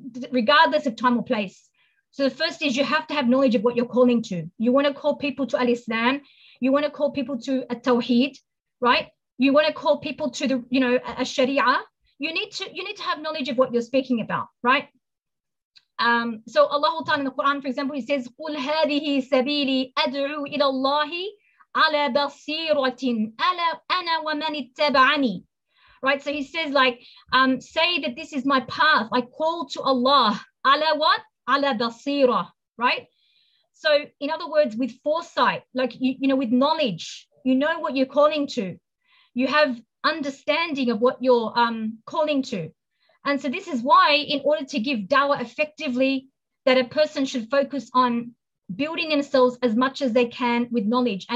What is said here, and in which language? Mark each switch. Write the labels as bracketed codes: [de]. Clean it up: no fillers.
[en] Regardless of time or place. So the first is you have to have knowledge of what you're calling to. You want to call people to al-Islam. You want to call people to a tawheed, right? You want to call people to a sharia. You need to have knowledge of what you're speaking about, right? So Allah Ta'ala in the Quran, for example, he says, [ar] قُلْ هَذِهِ سَبِيلِي أَدْعُو إِلَى اللَّهِ عَلَى بَصِيرَةٍ أَلَا أَنَا وَمَنِ اتَّبَعَنِي, [en] right? So he says, like, say that this is my path. I call to Allah. [ar] عَلَى [en] what? [ar] عَلَى بَصِيرَةٍ, [en] right? So in other words, with foresight, like, you know, with knowledge, you know what you're calling to. You have understanding of what you're calling to. And so this is why, in order to give dawah effectively, that a person should focus on building themselves as much as they can with knowledge.